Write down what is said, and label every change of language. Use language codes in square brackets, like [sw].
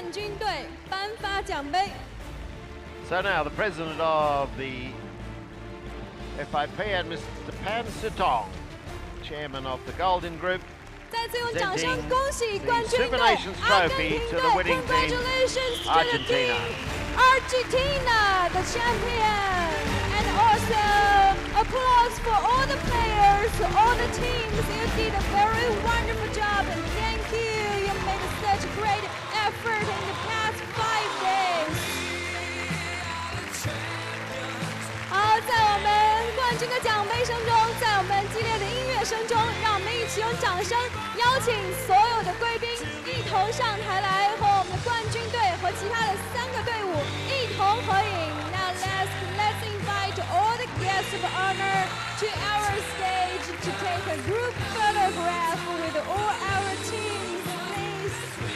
[zh] 好，请两位一起为我们的冠军队颁发奖杯。 [en] So now the president of the FIP and Mr. Pan Sutong, chairman of the Goldin Group, Super Nations trophy to the winning team, Argentina. Argentina, the champion. And also, applause for all the players, all the teams. You did a very wonderful job. And thank you. You made such great effort in the past 5 days. Also, [zh] 这个奖杯声中，在我们激烈的音乐声中，让我们一起用掌声邀请所有的贵宾一同上台来，和我们的冠军队和其他的三个队伍一同合影。 [en] Now let's invite all the guests of honor to our stage to take a group photograph with all our teams.